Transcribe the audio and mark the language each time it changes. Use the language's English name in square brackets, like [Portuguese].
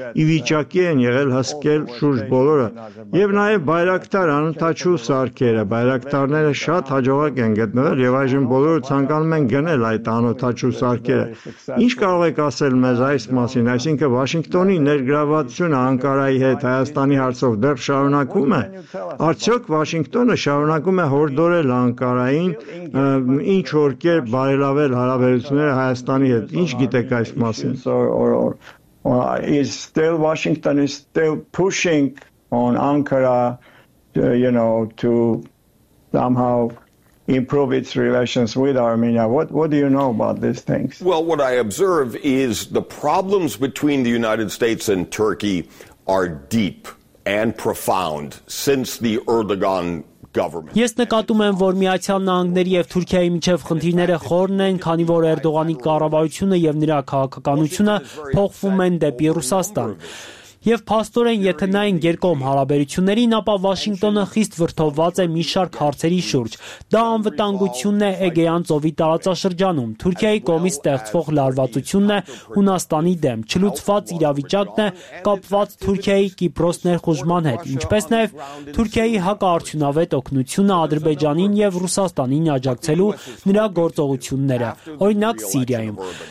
[Armenian] ի վիճակի են եղել հսկել շուրջ բոլորը, եւ նաև Բայրակտար անընդհատու սարքերը։ Բայրակտարները շատ հաջողակ են գտնվել եւ այժմ բոլորը ցանկանում են գնել այդ անընդհատու սարքերը։ Ինչ կարող եք ասել մեզ այս մասին, այսինքն՝ Վաշինգտոնի ներգրավվածությունը Անկարայի հետ Հայաստանի հարցով դեռ շարունակվում է։ Արդյոք Վաշինգտոնը շարունակում է հորդորել Անկարային ինչ որ կերպ բարելավել հարաբերությունները Հայաստանի հետ։ Ինչ գիտեք այս մասին։ [English] Is still Washington is still pushing on Ankara to, you know, to somehow improve its relations with Armenia. What do you know about these things? Well, what I observe is the problems between the United States and Turkey are deep and profound since the Erdogan government. [Armenian] Ես նկատում եմ, որ Միացյալ Նահանգների եւ Թուրքիայի միջև խնդիրները խորն են, քանի որ Էրդողանի կառավարությունը եւ նրա քաղաքականությունը փոխվում են դեպի Ռուսաստան։ Եվ փաստորեն, եթե նայեն երկկողմ հարաբերություններին, ապա Վաշինգտոնը խիստ վրթովված է մի շարք հարցերի շուրջ։ Դա անվտանգությունն է Էգեյան ծովի տարածաշրջանում, Թուրքիայի կողմից ստեղծվող լարվածությունն է Հունաստանի դեմ, չլուծված իրավիճակն է կապված Թուրքիայի Կիպրոս ներխուժման հետ, ինչպես նաև Թուրքիայի հակաարդյունավետ օգնությունը Ադրբեջանին եւ Ռուսաստանին աջակցելու նրա գործողությունները, օրինակ Սիրիայում։